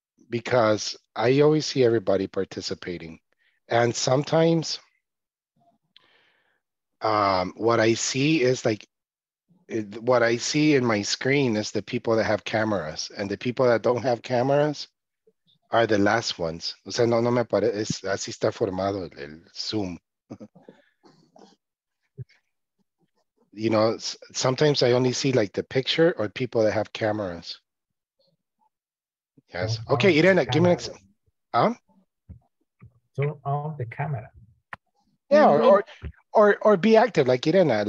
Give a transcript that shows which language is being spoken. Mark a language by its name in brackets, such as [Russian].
[English] Because I always see everybody participating. And sometimes what I see is like, what I see in my screen is the people that have cameras, and the people that don't have cameras are the last ones. [Spanish] O sea, no me parece, así está formado el Zoom. [English] You know, sometimes I only see like the picture or people that have cameras. Yes. Okay, Irene, give me an example. Turn on the camera. Yeah, or be active like Irene.